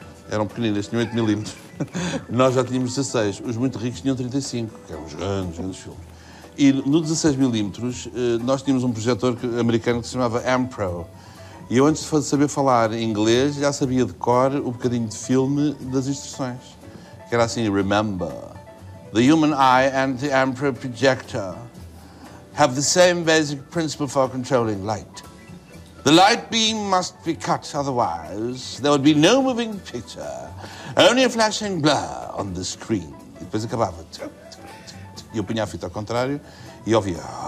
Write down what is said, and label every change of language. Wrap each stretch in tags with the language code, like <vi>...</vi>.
<pt>Eram pequeninas, tinham 8mm. Nós já tínhamos 16. Os muito ricos tinham 35, que eram os grandes, grandes filmes. E no 16mm, nós tínhamos um projetor americano que se chamava Ampro. E eu, antes de saber falar inglês, já sabia de cor o bocadinho de filme das instruções. Que era assim,</pt> <en>remember, the human eye and the Ampro projector have the same basic principle for controlling light. The light beam must be cut, otherwise there would be no moving picture, only a flashing blur on the screen.</en> <pt>E depois acabava. E eu punha a fita ao contrário e ouvia.</pt>